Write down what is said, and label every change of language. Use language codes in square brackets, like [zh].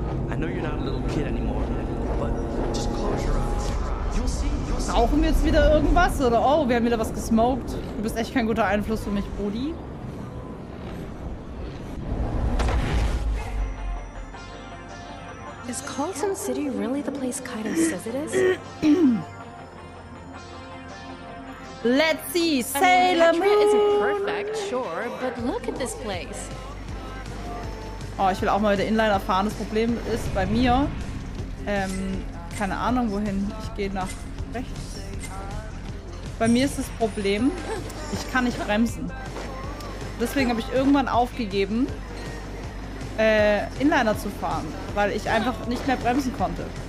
[en] I know you're not a little kid anymore, but just close your eyes. [de] Rauchen wir jetzt wieder irgendwas? Oder oh, wir haben wieder was gesmoked. Du bist echt kein guter Einfluss für mich, Brody. [en] Is Colton City really the place Kaido says it is? Let's see, Sailor Moon! Petria isn't perfect, sure, but look at this place. [de] Oh, ich will auch mal wieder Inliner fahren. Das Problem ist bei mir. Keine Ahnung, wohin. Ich gehe nach rechts. Bei mir ist das Problem, ich kann nicht bremsen. Deswegen habe ich irgendwann aufgegeben, Inliner zu fahren, weil ich einfach nicht mehr bremsen konnte.